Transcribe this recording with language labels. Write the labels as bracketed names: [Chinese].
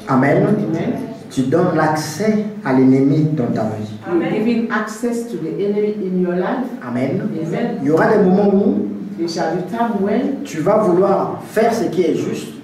[French] amen, tu donnes l'accès à l'ennemi dans ta vie. [English] You give access to the enemy in your life. Amen. Amen. [French] Il y aura des moments où [English] there shall be time when [French] tu vas vouloir faire ce qui est juste.